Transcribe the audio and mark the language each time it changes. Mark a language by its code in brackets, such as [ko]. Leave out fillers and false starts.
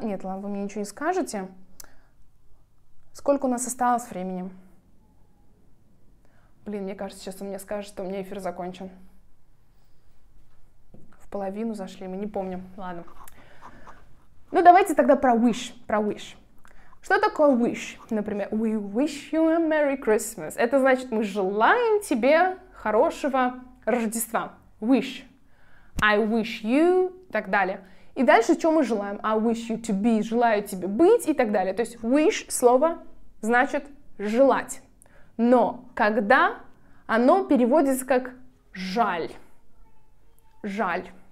[ru] Нет, ладно, вы мне ничего не скажете. Сколько у нас осталось времени? Блин, мне кажется, сейчас он мне скажет, что у меня эфир закончен. В половину зашли, мы не помним. Ладно. Ну, давайте тогда про wish, про wish. Что такое wish? [en] Например, we wish you a Merry Christmas. [ru] Это значит, мы желаем тебе хорошего Рождества. [en] Wish. I wish you, [ru] и так далее. И дальше, что мы желаем? [en] I wish you to be, [ru] желаю тебе быть, и так далее. То есть wish, слово, значит желать. Но когда оно переводится как жаль. Жаль.